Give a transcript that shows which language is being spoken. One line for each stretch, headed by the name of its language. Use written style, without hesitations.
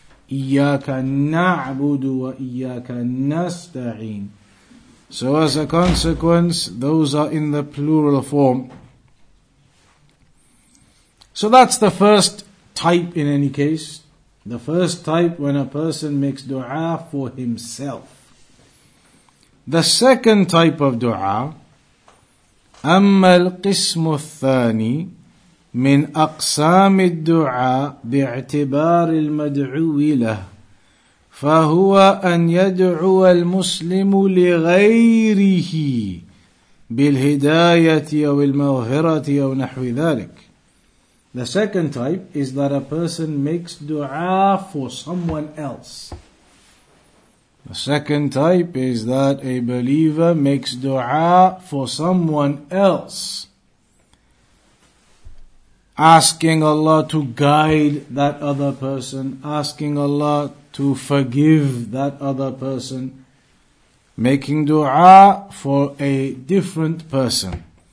Arabic: إياك نعبد وإياك نستعين.
English: So as a consequence, those are in the plural form. So that's the first type in any case. The first type when a person makes dua for himself. The second type of dua,
Arabic: أما القسم الثاني من أقسام الدعاء باعتبار المدعو له فهو أن يدعو المسلم لغيره بالهداية أو المغفرة أو نحو ذلك.
English: The second type is that a person makes dua for someone else. The second type is that a believer makes dua for someone else. asking Allah to guide that other person, asking Allah to forgive that other person, making dua for a different person.